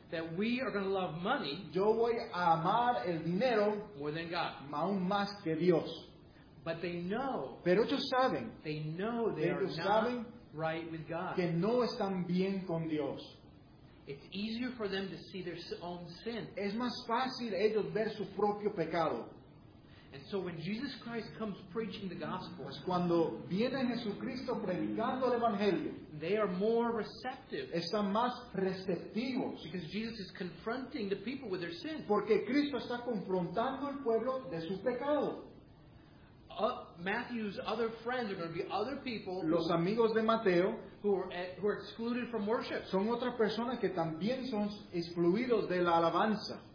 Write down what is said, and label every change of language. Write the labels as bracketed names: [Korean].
[English] That we are going to love money. [Spanish] Yo voy a amar el dinero. [English] More than God. [Spanish] Aún más que Dios. [English] But they know. [Spanish] Pero ellos saben. [English] They know they [Spanish] ellos [English] are [Spanish] saben [English] not right with God. [Spanish] Que no están bien con Dios. [English] It's easier for them to see their own sin. [Spanish] Es más fácil ellos ver su propio pecado. [English] And so when Jesus Christ comes preaching the gospel, [Spanish] pues cuando viene Jesucristo predicando el evangelio, [English] they are more receptive. [Spanish] Están más receptivos. [English] Because Jesus is confronting the people with their sin. [Spanish] Porque Cristo está confrontando al pueblo de su pecado. [English] Matthew's other friends are going to be other people. [Spanish] Los amigos de Mateo [English] who are excluded from worship. [Spanish] Son otras personas que también son excluidos de la alabanza.